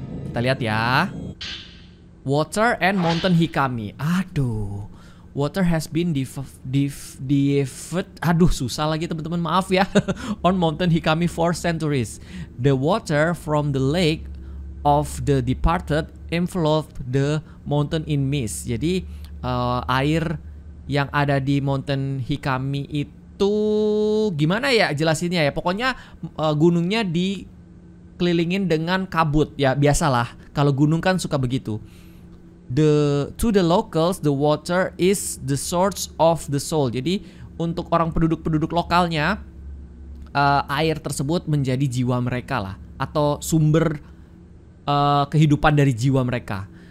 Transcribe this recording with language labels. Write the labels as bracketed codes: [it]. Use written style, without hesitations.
[id] Kita lihat ya. [en] Water and Mountain Hikami. [id] Aduh. [en] Water has been diverted. [id] Aduh, susah lagi teman-teman, maaf ya. [en] On Mountain Hikami for centuries. The water from the lake of the departed enveloped the mountain in mist. [id] Jadi air yang ada di Mountain Hikami itu gimana ya jelasinnya ya? Pokoknya gunungnya dikelilingin dengan kabut ya, biasalah. Kalau gunung kan suka begitu. [en] To the locals, the water is the source of the soul. [id] Jadi untuk orang penduduk lokalnya, air tersebut menjadi jiwa mereka lah, atau sumber kehidupan dari jiwa mereka.